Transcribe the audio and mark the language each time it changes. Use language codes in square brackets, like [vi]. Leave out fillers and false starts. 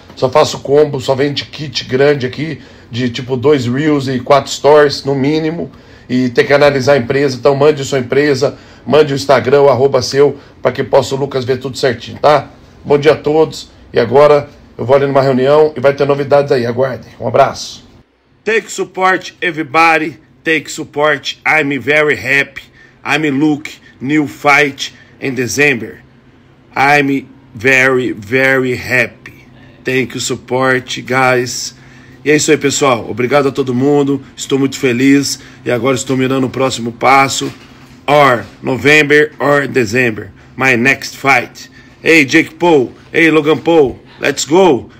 [pt] Só faço combo, só vende kit grande aqui, de tipo dois reels e quatro stores, no mínimo. E tem que analisar a empresa. Então, mande sua empresa. Mande o Instagram, o arroba seu, para que possa o Lucas ver tudo certinho, tá? Bom dia a todos. E agora eu vou ali numa reunião e vai ter novidades aí. Aguardem. Um abraço. [en] Take support, everybody. Take support. I'm very happy. I'm look new fight in December. I'm very, very happy. Take support, guys. [pt] E é isso aí, pessoal. Obrigado a todo mundo. Estou muito feliz. E agora estou mirando o próximo passo. [en] Or November or December, my next fight. Hey Jake Paul, hey Logan Paul, let's go.